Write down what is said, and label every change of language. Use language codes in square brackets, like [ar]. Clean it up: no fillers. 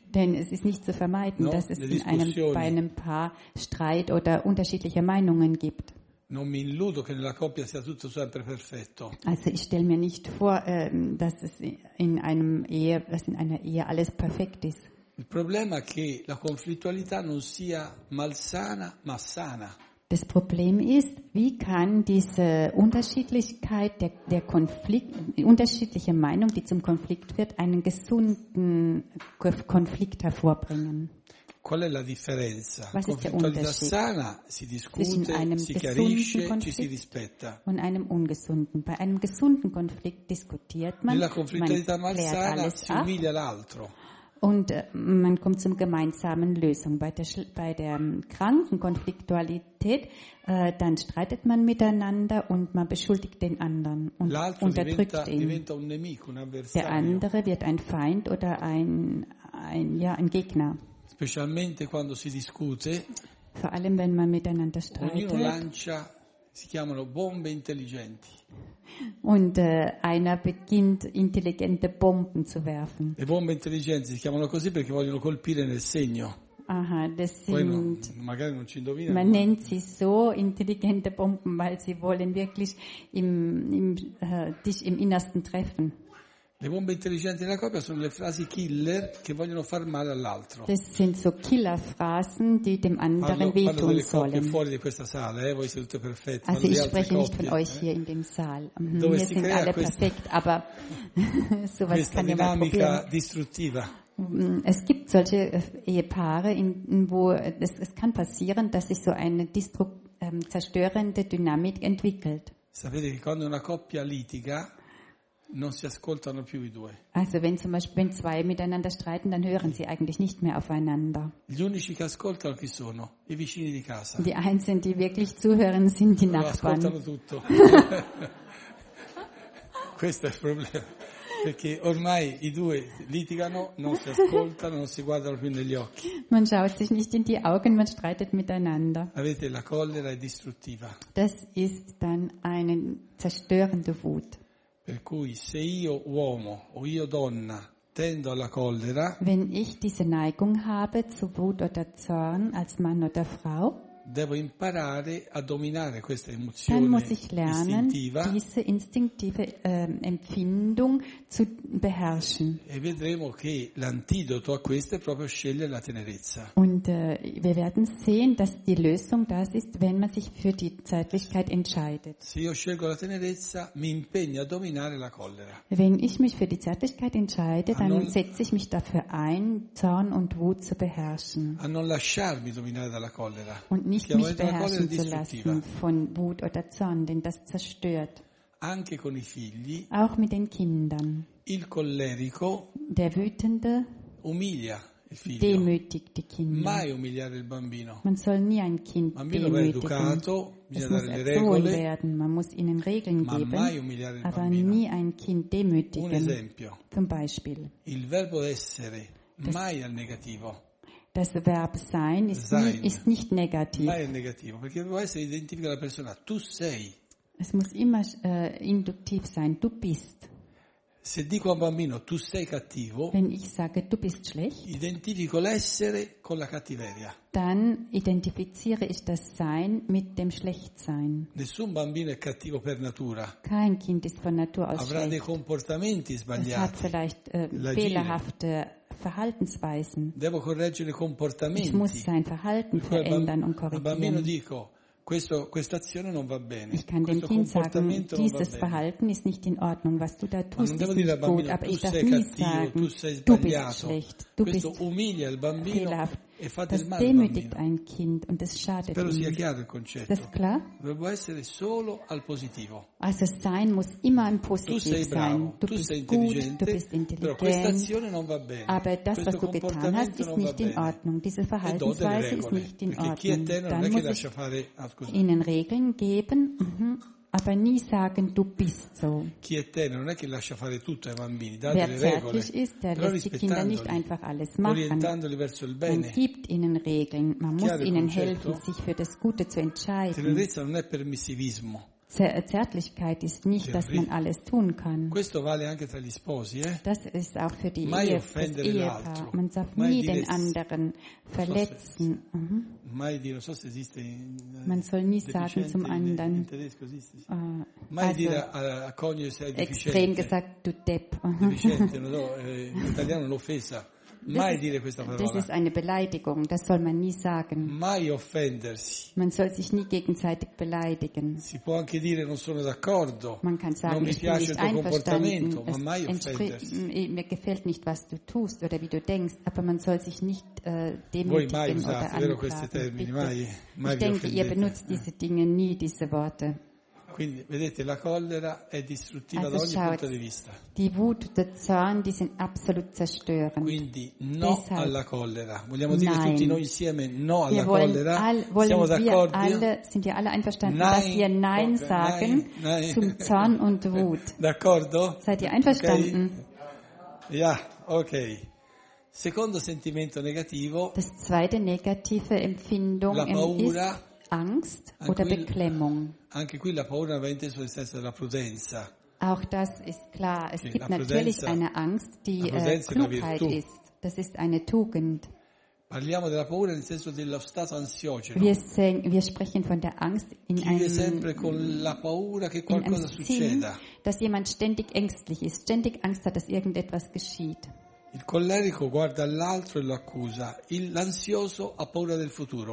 [de] Denn es ist nicht zu vermeiden, no? Dass es bei einem Paar Streit oder unterschiedliche Meinungen gibt. [it] Non mi illudo che nella coppia sia tutto sempre perfetto. [de] Also ich stelle mir nicht vor, dass es in einer Ehe alles perfekt ist. [it] Il problema è che la conflittualità non sia malsana, ma sana. [de] Das Problem ist, wie kann diese Unterschiedlichkeit der Konflikt, unterschiedliche Meinung, die zum Konflikt wird, einen gesunden Konflikt hervorbringen? [it] Qual è la differenza? [de] Was [it] conflittualità sana si discute, si chiarisce, ci si rispetta. [de] Und einem ungesunden. Bei einem gesunden Konflikt diskutiert man. [it] Nella conflittualità malsana si umilia l'altro. [de] Und man kommt zum gemeinsamen Lösung. Bei der kranken Konfliktualität, dann streitet man miteinander und man beschuldigt den anderen und [it] l'altro [de] unterdrückt [it] diventa, [de] ihn. [it] Diventa un nemico, un avversario. [de] Der andere wird ein Feind oder ein Gegner. [it] Specialmente quando si discute, [de] vor allem wenn man miteinander streitet, [it] ognuno lancia, si chiamano bombe intelligenti. [de] Und einer beginnt intelligente Bomben zu werfen. [it] Le bombe intelligenti si chiamano così perché vogliono colpire nel segno. [de] Aha, das sind, [it] poi magari non ci indovina. [de] Man nennt sie so intelligente Bomben, weil sie wollen wirklich dich im Innersten treffen. [it] Le bombe intelligenti della coppia sono le frasi killer che vogliono far male all'altro. [de] Das sind so Killerphrasen, die dem anderen wehtun sollen. [it] Parlo delle coppie fuori di questa sala, voi siete perfette. [de] Also ich spreche nicht von euch hier in dem Saal. Dove wir sind alle perfekt, aber sowas kann jemand probieren. [it] Questa dinamica distruttiva. [de] Es gibt solche Ehepaare, wo es kann passieren, dass sich so eine zerstörende Dynamik entwickelt. [it] Sapete che quando una coppia litiga, non si ascoltano più i due. [de] Also wenn zum Beispiel zwei miteinander streiten, dann hören sie eigentlich nicht mehr aufeinander. [it] Gli unici che ascoltano chi sono? I vicini di casa. [de] Die einzigen, die wirklich zuhören, sind die Nachbarn. [it] Loro ascoltano tutto. Questo è il problema. Perché ormai i due litigano, non si ascoltano, non si guardano più negli occhi. [de] Man schaut sich nicht in die Augen, man streitet miteinander. [it] Avete la collera è distruttiva. [de] Das ist dann eine zerstörende Wut. [it] Per cui se io uomo o io donna tendo alla collera, [de] wenn ich diese Neigung habe zu Wut oder Zorn als Mann oder Frau, [it] devo imparare a dominare questa emozione istintiva, [de] diese istintive Empfindung zu beherrschen. [it] E vedremo che l'antidoto a questo è proprio scegliere la tenerezza. [de] Und wir werden sehen, dass die Lösung das ist, wenn man sich für die Zärtlichkeit entscheidet. [it] Se io scelgo la tenerezza, mi impegno a dominare la collera. [de] Wenn ich mich für die Zärtlichkeit entscheide, dann setze ich mich dafür ein, Zorn und Wut zu beherrschen. [it] A non lasciarmi dominare dalla collera. [de] Und nicht mich beherrschen zu lassen von Wut oder Zorn, denn das zerstört. [it] Anche con i figli, [de] auch mit den Kindern. [it] Il collerico, [de] der Wütende, [it] umilia il figlio. [de] Demütigt die Kinder. [it] Mai umiliare il bambino. [de] Man soll nie ein Kind [it] bambino [de] demütigen. [it] Va educato, [de] es muss erzogen werden, man muss ihnen Regeln [it] ma [de] geben, [it] mai umiliare il [de] aber [it] bambino. [de] Nie ein Kind demütigen. [it] Un esempio. [de] Zum Beispiel. [it] Il verbo essere, das mai al negativo. [de] Das Verb sein ist nicht negativ. [it] Mai è negativo, perché il verbo essere identifica la persona. Tu sei. [de] Es muss immer induktiv sein. Du bist. [it] Se dico a un bambino tu sei cattivo, [de] wenn ich sage du bist schlecht, [it] identifico l'essere con la cattiveria. [de] Dann identifiziere ich das Sein mit dem Schlechtsein. [it] Nessun bambino è cattivo per natura. [de] Kein Kind ist von Natur aus schlecht. [it] Avrà dei comportamenti sbagliati. [de] Es hat vielleicht fehlerhafte Verhaltensweisen. [it] Devo correggere comportamenti. [de] Ich muss sein Verhalten verändern und korrigieren. [it] Al bambino dico, questa azione non va bene. [de] Ich kann dem Kind sagen, dieses Verhalten ist nicht in Ordnung, was du da tust, ist nicht gut, aber ich darf nie sagen, du bist schlecht, du bist fehlerhaft. Das demütigt ein Kind und das schadet ihm. [it] Spero sia chiaro il concetto. [de] Ist das klar? [it] Devo essere solo al positivo. [de] Also sein muss immer ein positiv sein. [it] Tu sei bravo, tu sei intelligente, [de] du bist intelligent, [it] però questa azione non va bene. [de] Aber das, was du getan hast, ist nicht in Ordnung. Diese Verhaltensweise ist nicht in Ordnung. Dann muss ich ihnen Regeln geben, aber nie sagen, du bist so. [it] Chi è tenero non è che lascia fare tutto ai bambini, dà delle regole. [de] Wer zärtlich ist, der lässt die Kinder nicht einfach alles machen. [it] Orientandoli verso il bene. [de] Und gibt ihnen Regeln. Man muss ihnen helfen, sich für das Gute zu entscheiden. [it] Tenerezza non è permissivismo. [de] Zärtlichkeit ist nicht, dass man alles tun kann. [it] Questo vale anche tra gli sposi, eh? [de] Das ist auch für die Ehepaar. Man darf nie den anderen verletzen. [it] Mai dire, non so se esiste [de] man soll nie sagen zum anderen. [it] Mai dire a coniuge se è deficiente. [de] Extrem gesagt, du Depp. [it] In italiano l'offesa. Mai dire questa parola. [de] Das ist eine Beleidigung, das soll man nie sagen. [it] Mai offendersi. [de] Man soll sich nie gegenseitig beleidigen. [it] Si può anche dire non sono d'accordo. [de] Man kann sagen, [it] non mi piace il tuo comportamento, ma mai offendersi. [de] Mir gefällt nicht, was du tust oder wie du denkst, aber man soll sich nicht demütigen [it] mai [de] oder anklagen. [it] Vero questi termini, mai [de] ich denke, ihr benutzt diese Dinge nie, diese Worte. [it] Quindi vedete, la collera è distruttiva [de] also, [it] da ogni punto di vista. [de] Die Wut, der Zorn, die sind absolut zerstörend. [it] Quindi no [de] deshalb, [it] alla collera. Vogliamo [de] nein. [it] Dire tutti noi insieme no [de] wir [it] alla collera. Siamo d'accordo? [de] Sind wir alle einverstanden, dass wir nein sagen nein. Zum Zorn und Wut? [it] D'accordo? [de] Seid ihr einverstanden? Okay. Ja, okay. [it] Secondo sentimento negativo. [de] Das zweite negative Empfindung [it] la paura, [de] ist Angst oder Beklemmung. [it] Anche qui la paura va intesa nel senso della prudenza. [de] Auch das ist klar. Es gibt natürlich eine Angst, die Klugheit ist. Das ist eine Tugend. [it] Parliamo della paura nel senso dello stato ansiogeno. [de] Wir sprechen von der Angst in einem. [it] Vive sempre con la paura che qualcosa succeda. [de] Dass jemand ständig ängstlich ist, ständig Angst hat, dass irgendetwas geschieht. [it] Il collerico guarda l'altro e lo accusa. L'ansioso ha paura del futuro.